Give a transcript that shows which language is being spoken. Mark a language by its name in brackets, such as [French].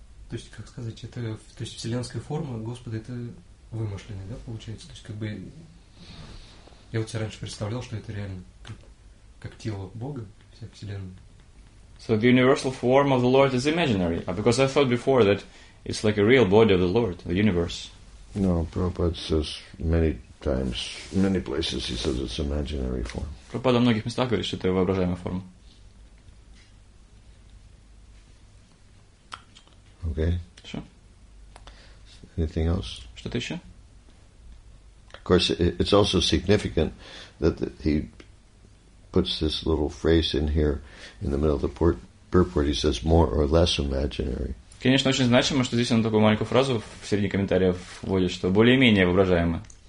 [Russian] То есть, как сказать, это, то есть, вселенская форма Господа, это вымышленная, да, получается? То есть, как бы, я вот себе раньше представлял, что это реально, как тело Бога, вся вселенная. [English] So the universal form of the Lord is imaginary, because I thought before that it's like a real body of the Lord, the universe. No, Prabhupada says many times, many places he says it's imaginary form. [Russian] Prabhupada в многих местах говорит, что это воображаемая форма. [English] Okay. Sure. Anything else? [Russian] Что-то еще? [English] Of course, it's also significant that he puts this little phrase in here in the middle of the purport. He says more or less imaginary. [Russian] Конечно, очень значимо, что здесь он такую маленькую фразу в середине комментария вводит, что более-менее воображаемо.